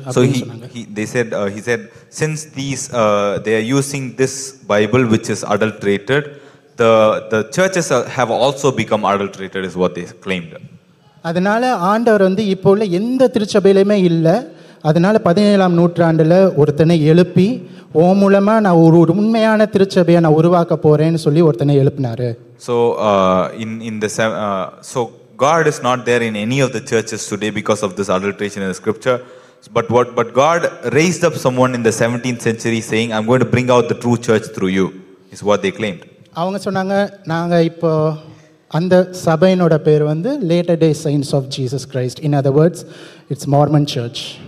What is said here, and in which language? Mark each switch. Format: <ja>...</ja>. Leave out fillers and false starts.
<en>So he said since these they are using this bible which is adulterated the churches have also become adulterated is what they claimed.</en> <ta>அதனால ஆண்டவர் வந்து இப்போ உள்ள எந்த திருச்சபையிலுமே இல்லை, அதனால 17th century ஒருத்தனை எழுப்பி ஓ மூலமா நான் ஒரு உண்மையான திருச்சபையை நான் உருவாக்க போறேன்னு சொல்லி ஒருத்தனை எழுப்பினாரு.</ta> <en>So in the so God is not there in any of the churches today because of this adulteration in the scripture but God raised up someone in the 17th century saying I'm going to bring out the true church through you is what they claimed.</en> <ta>அவங்க சொன்னாங்க நாங்க இப்போ அந்த சபையினோட பேர் வந்து later day signs of Jesus Christ,</ta> <en>In other words it's Mormon church.</en>